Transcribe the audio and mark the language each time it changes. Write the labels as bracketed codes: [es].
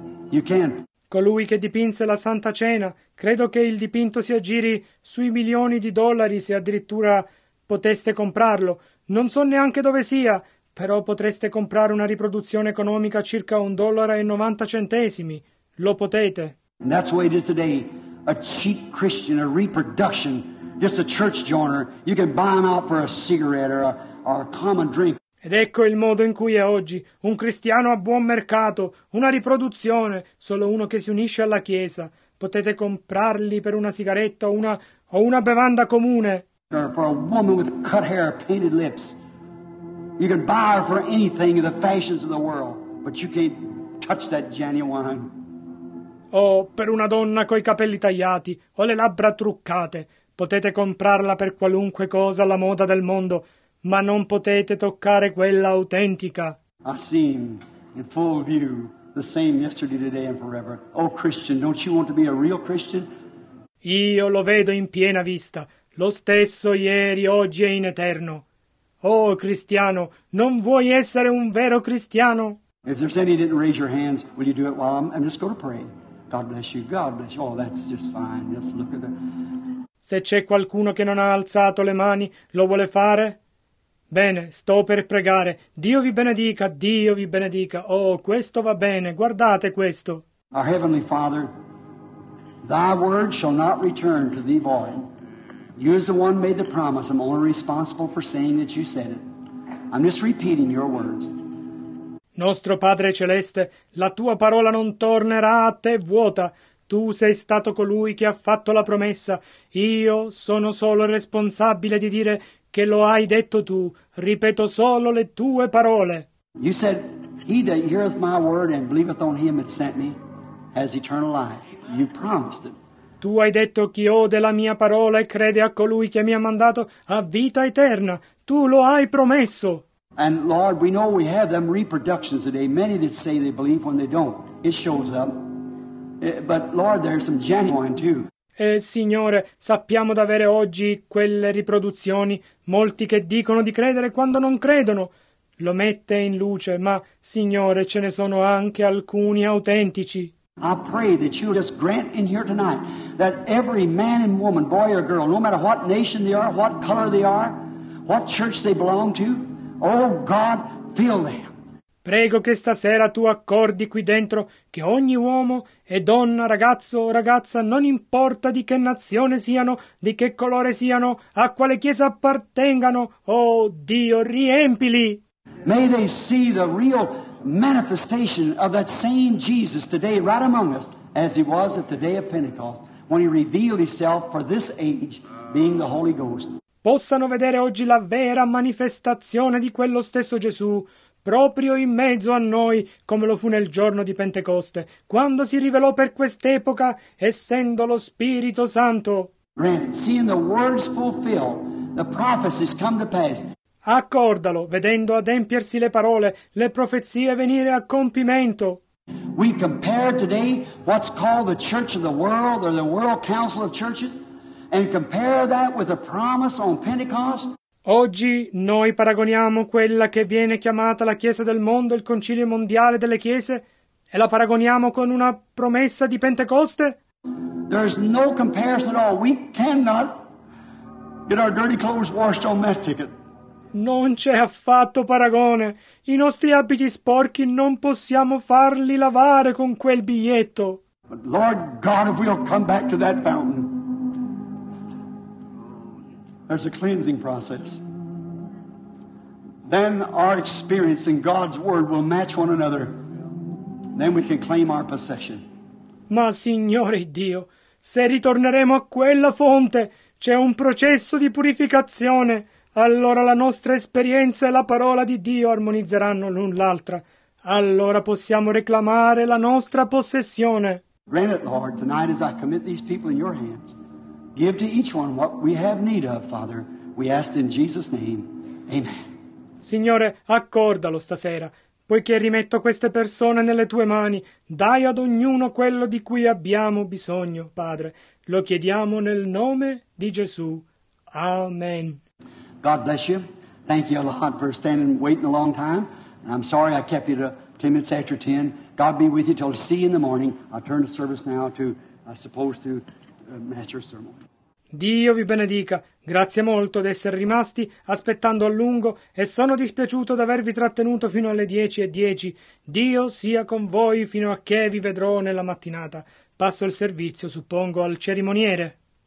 [en] You can. [it] Colui che dipinse la Santa Cena, credo che il dipinto si aggiri sui milioni di dollari se addirittura poteste comprarlo. Non so neanche dove sia, però potreste comprare una riproduzione economica circa $1.90. Lo potete. [en] And that's the way it is today. A cheap Christian, a reproduction, just a church joiner. You can buy them out for a cigarette or a... [it] Ed ecco il modo in cui è oggi, un cristiano a buon mercato, una riproduzione, solo uno che si unisce alla chiesa. Potete comprarli per una sigaretta o una bevanda comune. [en] For a woman with cut hair, painted lips. You can buy her for anything in the fashions of the world, but you can't touch that genuine. [it] Oh, per una donna coi capelli tagliati o le labbra truccate, potete comprarla per qualunque cosa alla moda del mondo. Ma non potete toccare quella autentica. [en] I see him in full view, the same yesterday, today and forever. Oh Christian, don't you want to be a real Christian? [it] Io lo vedo in piena vista, lo stesso ieri, oggi e in eterno. Oh cristiano, non vuoi essere un vero cristiano? [en] If there's any didn't raise your hands, will you do it while I'm just going to pray? God bless you, God bless you. Oh, that's just fine. Just look at that. [it] Se c'è qualcuno che non ha alzato le mani, lo vuole fare? Bene, sto per pregare. Dio vi benedica, Dio vi benedica. Oh, questo va bene, guardate questo. [en] Our Heavenly Father, thy word shall not return to thee void. You as the one made the promise, I'm only responsible for saying that you said it. I'm just repeating your words. [it] Nostro Padre Celeste, la tua parola non tornerà a te vuota. Tu sei stato colui che ha fatto la promessa. Io sono solo responsabile di dire... che lo hai detto tu, ripeto solo le tue parole. [en] You said, he that heareth my word and believeth on him that sent me has eternal life. You promised it. [it] Tu hai detto, chi ode la mia parola e crede a colui che mi ha mandato ha vita eterna. Tu lo hai promesso. [en] And Lord, we know we have them reproductions today. Many that say they believe when they don't. It shows up. But Lord, there's some genuine too. [it] Signore, sappiamo d'avere oggi quelle riproduzioni, molti che dicono di credere quando non credono. Lo mette in luce, ma, Signore, ce ne sono anche alcuni autentici. [en] I pray that you just grant in here tonight that every man and woman, boy or girl, no matter what nation they are, what color they are, what church they belong to, oh God, fill them. [it] Prego che stasera tu accordi qui dentro che ogni uomo e donna, ragazzo o ragazza, non importa di che nazione siano, di che colore siano, a quale chiesa appartengano, oh Dio, riempili! [en] May they see the real manifestation of that same Jesus today right among us, as he was at the day of Pentecost, when he revealed himself for this age, being the Holy Ghost. [it] Possano vedere oggi la vera manifestazione di quello stesso Gesù, proprio in mezzo a noi, come lo fu nel giorno di Pentecoste, quando si rivelò per quest'epoca, essendo lo Spirito Santo. [en] Granted, seeing the words fulfilled, the prophecies come to pass. [it] Accordalo, vedendo adempiersi le parole, le profezie venire a compimento. [en] We compare today what's called the Church of the World, or the World Council of Churches, and compare that with the promise on Pentecost. [it] Oggi noi paragoniamo quella che viene chiamata la Chiesa del Mondo, il Concilio Mondiale delle Chiese, e la paragoniamo con una promessa di Pentecoste? [en] There's no comparison at all. We cannot get our dirty clothes washed on that ticket. [it] Non c'è affatto paragone. I nostri abiti sporchi non possiamo farli lavare con quel biglietto. [en] But Lord God, if we'll come back to that fountain, there's a cleansing process. Then our experience and God's word will match one another. Then we can claim our possession. [it] Ma Signore Dio, se ritorneremo a quella fonte, c'è un processo di purificazione. Allora la nostra esperienza e la parola di Dio armonizzeranno l'un l'altra. Allora possiamo reclamare la nostra possessione. [en] Grant it, Lord, tonight as I commit these people in your hands. Give to each one what we have need of, Father. We ask in Jesus' name. Amen. [it] Signore, accordalo stasera, poiché rimetto queste persone nelle tue mani. Dai ad ognuno quello di cui abbiamo bisogno, Padre. Lo chiediamo nel nome di Gesù. Amen. [en] God bless you. Thank you a lot for standing and waiting a long time. And I'm sorry I kept you to 10 minutes after 10. God be with you till I see you in the morning. I'll turn the service now to, I suppose, to Master Sermon. [it] Dio vi benedica. Grazie molto di essere rimasti aspettando a lungo e sono dispiaciuto d'avervi trattenuto fino alle 10:10. Dio sia con voi fino a che vi vedrò nella mattinata. Passo il servizio, suppongo, al cerimoniere.